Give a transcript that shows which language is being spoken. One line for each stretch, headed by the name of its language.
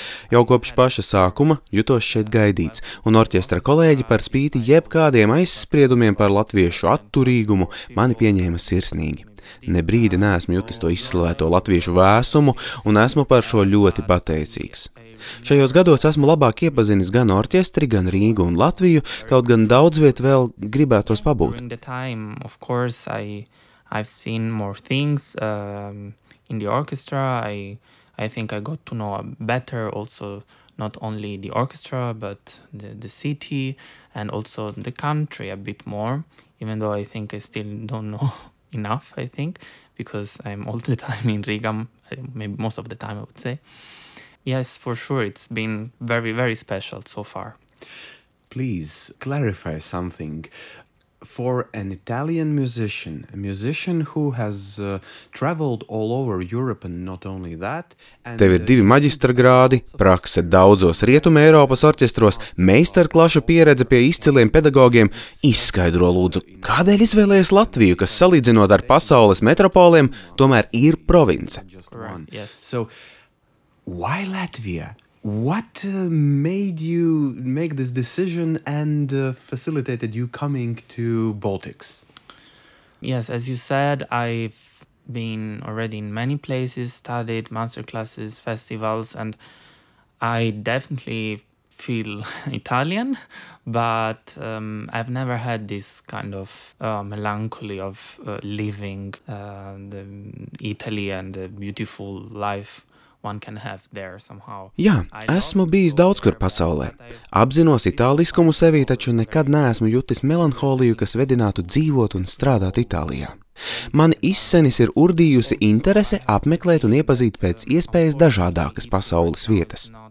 Latvian: Jau kopš paša sākuma jutos šeit gaidīts, un orķestra kolēģi par spīti jebkādiem aizspriedumiem par latviešu atturīgumu mani pieņēma sirsnīgi. Ne brīdi neesmu jutis to izslēgto latviešu vēsumu un esmu par šo ļoti pateicīgs. Šajos gados esmu labāk iepazinis gan orķestri, gan Rīgu un Latviju, kaut gan daudz viet vēl gribētos pabūt.
English: During the time, of course, I've seen more things in the orchestra. I think I got to know better also not only the orchestra, but the city and also the country a bit more, even though I think I still don't know enough, I think, because I'm all the time in Riga, maybe most of the time, I would say. Yes, for sure, it's been very, very special so far. Please clarify something. For an Italian musician, a musician who has traveled all over Europe and not only that,
Latvian: tev ir divi maģistra grādi, prakse daudzos rietuma Eiropas orķestros, meistarklašu pieredze pie izciliem pedagogiem, izskaidro lūdzu, kādēļ izvēlējies Latviju, kas salīdzinot ar pasaules metropoliem, tomēr ir province.
English: So why Latvia? What made you make this decision and facilitated you coming to Baltics? Yes, as you said, I've been already in many places, studied masterclasses, festivals, and I definitely feel Italian, but I've never had this kind of melancholy of living the Italy and the beautiful life one can have there somehow.
Latvian: Jā, esmu bijis daudz kur pasaulē. Apzinos itāliskumu sevī, taču nekad neesmu jutis melanholiju, kas vedinātu dzīvot un strādāt Itālijā. Mani izsenis ir urdījusi interese apmeklēt un iepazīt pēc iespējas dažādākas pasaules vietas.